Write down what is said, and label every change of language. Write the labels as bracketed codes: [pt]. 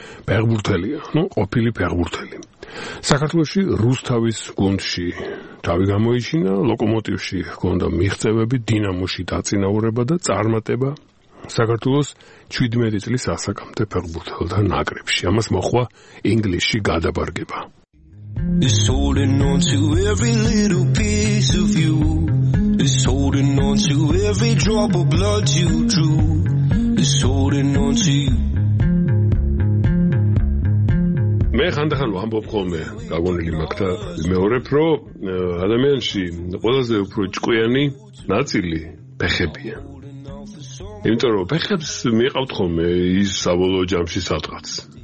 [ka] ფეხბურთელია, ну, ყოფილი ფეხბურთელი. საქართველოში რუსთავის გუნდში თავი გამოიჩინა, ლოკომოტივში ჰქონდა მიღწევები, დინამოში დაწინაურება და წარმატება საქართველოს 17 წლის ასაკამდე ფეხბურთელთა ნაკრებში. ამას მოხვა ინგლისში გადაბარგება. [en] It's holding on to every little piece of you. It's holding on to every drop of blood you drew. It's holding on to you. [ka] მე ხანდახან ვამბობ ხოლმე გაგონილი მაქთა მეორებ, რომ ადამიანში ყველაზე უფრო ჭკვიანი ნაწილი ფეხებია. იმიტომ რომ ფეხებს მიყავთ ხოლმე ის საბოლოო ჯამში სადღაც.